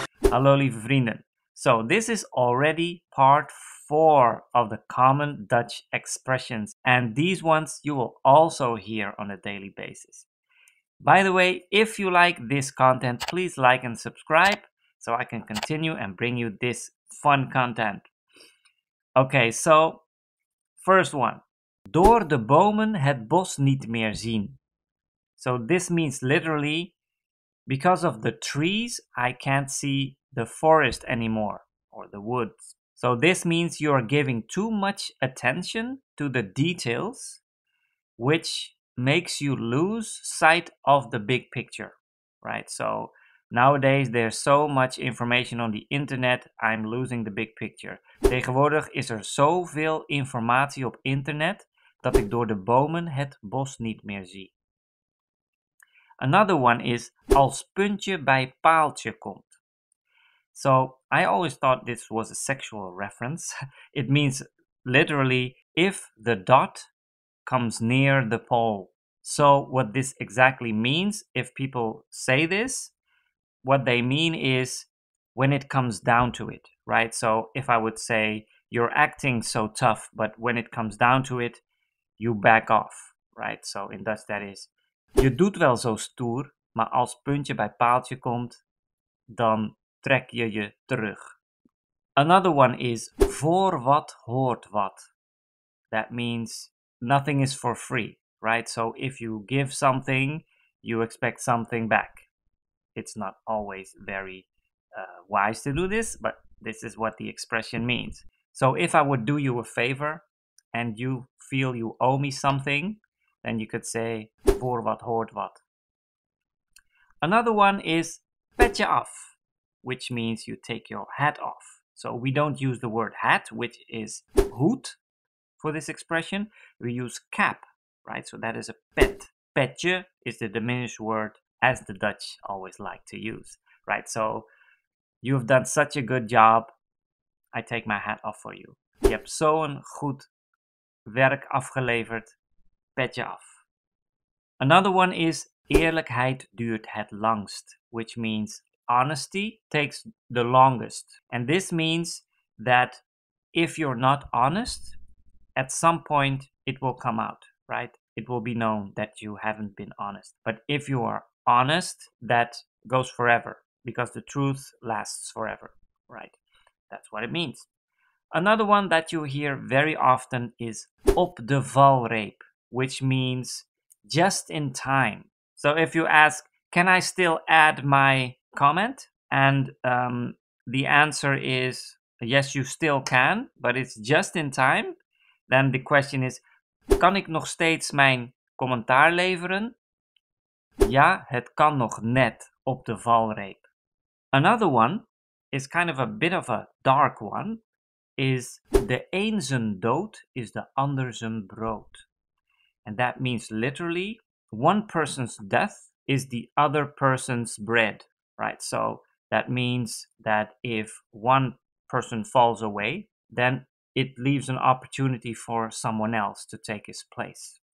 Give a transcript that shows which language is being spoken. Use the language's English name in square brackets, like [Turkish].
[Dutch] Hallo lieve vrienden. [English] So this is already part 4 of the common Dutch expressions. And these ones you will also hear on a daily basis. By the way, if you like this content, please like and subscribe, so I can continue and bring you this fun content. Okay, so first one. [Dutch] Door de bomen het bos niet meer zien. [English] So this means literally, because of the trees, I can't see the forest anymore, or the woods. So this means you are giving too much attention to the details, which makes you lose sight of the big picture, right? So nowadays, there's so much information on the internet, I'm losing the big picture. [Dutch] Tegenwoordig is er zoveel informatie op internet, dat ik door de bomen het bos niet meer zie. [English] Another one is, [Dutch] als puntje bij paaltje komt. [English] So, I always thought this was a sexual reference. It means, literally, if the dot comes near the pole. So, what this exactly means, if people say this, what they mean is when it comes down to it, right? So if I would say, you're acting so tough, but when it comes down to it, you back off, right? So in Dutch that is, [Dutch] je doet wel zo stoer, maar als puntje bij paaltje komt, dan trek je je terug. [English] Another one is, [Dutch] voor wat hoort wat. [English] That means nothing is for free, right? So if you give something, you expect something back. It's not always very wise to do this, but this is what the expression means. So if I would do you a favor and you feel you owe me something, then you could say, [Dutch] voor wat hoort wat. [English] Another one is [Dutch] petje af, [English] which means you take your hat off. So we don't use the word hat, which is hoed for this expression. We use cap, right? So that is a pet. Petje is the diminished word, as the Dutch always like to use, right? So, you've done such a good job. I take my hat off for you. [Dutch] Je hebt zo'n goed werk afgeleverd. Petje af. [English] Another one is, [Dutch] eerlijkheid duurt het langst, [English] which means honesty takes the longest. And this means that if you're not honest, at some point it will come out, right? It will be known that you haven't been honest. But if you are honest, that goes forever, because the truth lasts forever, right? That's what it means. Another one that you hear very often is [Dutch] op de valreep, [English] which means just in time. So if you ask, can I still add my comment? And the answer is, yes, you still can, but it's just in time. Then the question is, [Dutch] kan ik nog steeds mijn commentaar leveren? Ja, het kan nog net op de valreep. [English] Another one is kind of a bit of a dark one, [Dutch] is de een zijn dood is de ander zijn brood. [English] And that means literally, one person's death is the other person's bread, right? So that means that if one person falls away, then it leaves an opportunity for someone else to take his place.